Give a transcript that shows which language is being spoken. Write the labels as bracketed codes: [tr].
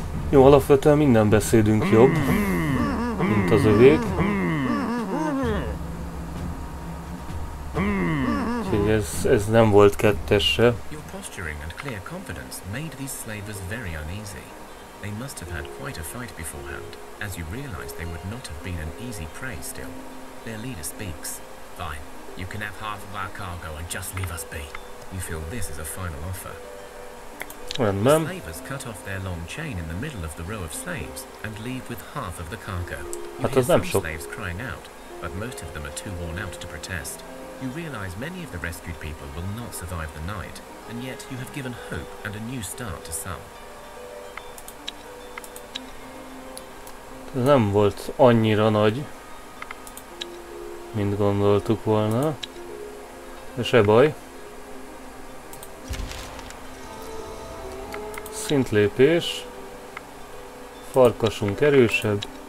[hu] Jó, alapvetően minden beszédünk jobb, mint az övék. Úgyhogy ez nem volt kettesse. [en] Your posturing and clear confidence made these slavers very uneasy. They must have had quite a fight beforehand, as you realize they would not have been an easy prey still. Their leader speaks. Fine, you can have half of our cargo and just leave us be. You feel this is a final offer. The slavers cut off their long chain in the middle of the row of slaves and leave with half of the cargo. [hu] Hát az nem sok. [en] Slaves crying out, but most of them are too worn out to protest. You realize many of the rescued people will not survive the night, and yet you have given hope and a new start to some. [hu] Ez nem volt annyira nagy, mint gondoltuk volna. De se baj. Szintlépés. Farkasunk erősebb.